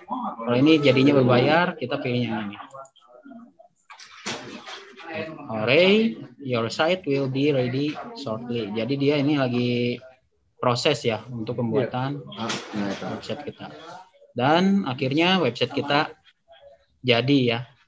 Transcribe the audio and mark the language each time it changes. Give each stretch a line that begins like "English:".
Indonesian: Kalau ini jadinya berbayar, kita pilih yang ini.
English: Alright, your site will be ready shortly.
Indonesian: Jadi dia ini lagi proses ya untuk pembuatan website kita. Dan akhirnya website kita jadi ya.